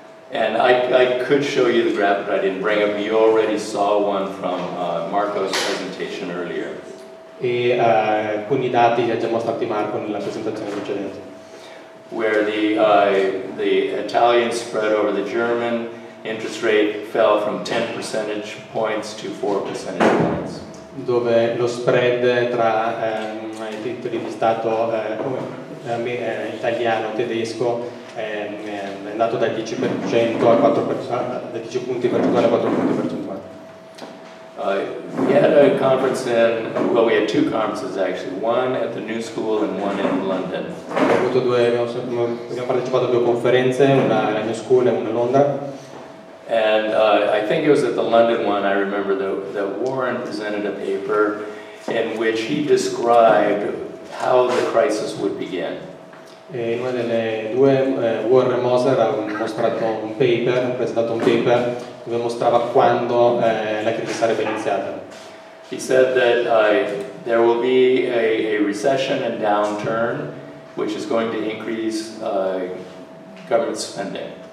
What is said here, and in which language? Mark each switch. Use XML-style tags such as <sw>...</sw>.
<en>And I could show you the graph, but I didn't bring it. You already saw one from Marco's presentation earlier.</en> <it>E alcuni dati li ha già mostrati Marco nella presentazione precedente.</it> <en>Where the Italian spread over the German interest rate fell from 10 percentage points to 4 percentage points.</en> <it>Dove lo spread tra i titoli di Stato italiano-tedesco è andato dal 10% al 4%, da 10 punti percentuali a 4 punti percentuali.</it> <en>We had a conference in, well, we had two conferences actually, one at the New School and one in London.</en> <it>Abbiamo partecipato a due conferenze, una alla New School e una a Londra.</it> <en>And I think it was at the London one, I remember that Warren presented a paper in which he described how the crisis would begin.</en> <it>E in una delle due, Warren Moser ha mostrato un paper, ha presentato un paper dove mostrava quando la crisi sarebbe iniziata.</it> <en>He said that there will be a recession and downturn which is going to increase government spending.</en>